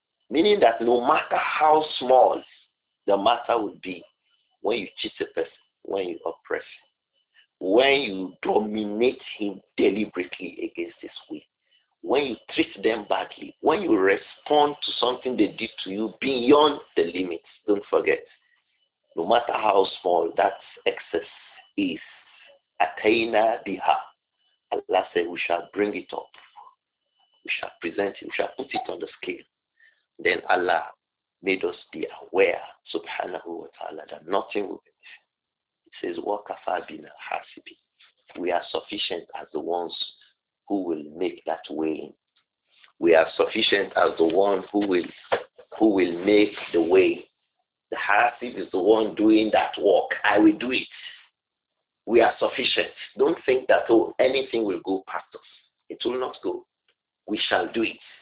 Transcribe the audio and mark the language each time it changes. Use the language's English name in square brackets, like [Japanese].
[English] Meaning that no matter how small the matter would be, when you cheat a person, when you oppress him, when you dominate him deliberately against his will, when you treat them badly, when you respond to something they did to you beyond the limits, don't forget, no matter how small that excess is, [Arabic] ataina biha, [English] Allah said, we shall bring it up, we shall present it, we shall put it on the scale. Then Allah made us be aware, subhanahu wa ta'ala, that nothing will be. [Arabic] Says, وَكَفَى بِنَا حَاسِبِ. [English] We are sufficient as the ones who will make that weighing. We are sufficient as the one who will make the way. The Hasib is the one doing that work. I will do it. We are sufficient. Don't think that anything will go past us. It will not go. We shall do it.